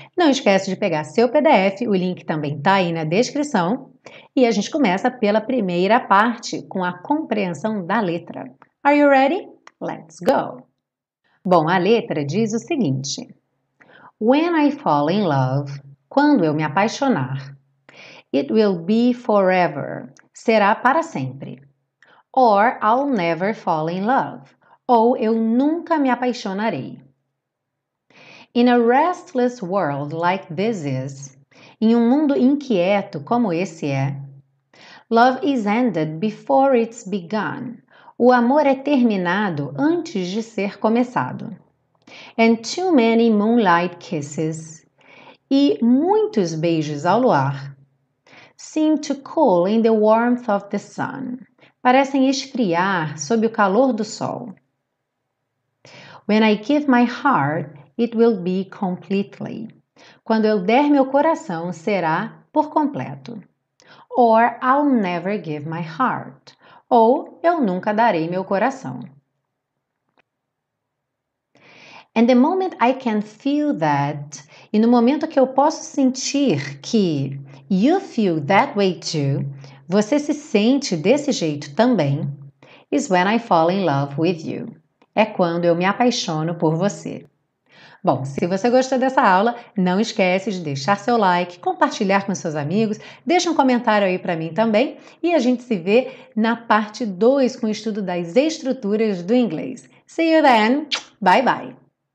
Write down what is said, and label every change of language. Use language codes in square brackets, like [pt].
[pt] Não esquece de pegar seu PDF, o link também está aí na descrição, e a gente começa pela primeira parte, com a compreensão da letra. [en] Are you ready? Let's go! [pt] Bom, a letra diz o seguinte: [en] When I fall in love, [pt] quando eu me apaixonar. [en] It will be forever. [pt] Será para sempre. [en] Or I'll never fall in love. [pt] Ou eu nunca me apaixonarei. [en] In a restless world like this is, [pt] em um mundo inquieto como esse é, [en] love is ended before it's begun. [pt] O amor é terminado antes de ser começado. [en] And too many moonlight kisses. [pt] E muitos beijos ao luar. [en] Seem to cool in the warmth of the sun. [pt] Parecem esfriar sob o calor do sol. [en] When I give my heart, it will be completely. [pt] Quando eu der meu coração, será por completo. [en] Or I'll never give my heart. [pt] Ou eu nunca darei meu coração. [en] And the moment I can feel that, [pt] e no momento que eu posso sentir que. [en] You feel that way too. [pt] Você se sente desse jeito também. [en] Is when I fall in love with you. [pt] É quando eu me apaixono por você. Bom, se você gostou dessa aula, não esquece de deixar seu like, compartilhar com seus amigos, deixa um comentário aí para mim também e a gente se vê na parte 2 com o estudo das estruturas do inglês. [en] See you then. Bye bye.